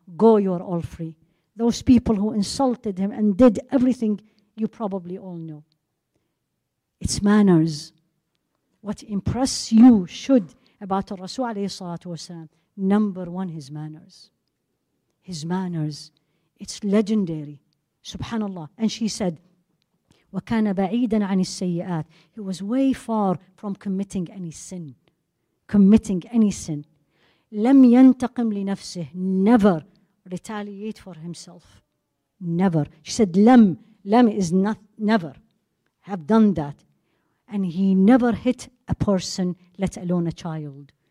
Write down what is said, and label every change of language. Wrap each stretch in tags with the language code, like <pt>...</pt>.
<en>Go, you're all free. Those people who insulted him and did everything, you probably all know. It's manners. What impresses you should about the Rasul alayhi salatu wasalam, number one, his manners. His manners. It's legendary. Subhanallah. And she said,</en> <ar>وَكَانَ بَعِيدًا عَنِ السَّيِّئَاتِ.</ar> <en>He was way far from committing any sin. Committing any sin.</en> <ar>لَمْ يَنْتَقِمْ لِنَفْسِهِ.</ar> <en>Never retaliate for himself. Never. She said,</en> <ar>لَمْ. لَمْ</ar> <en>is not, never. Have done that. And he never hit a person, let alone a child.</en>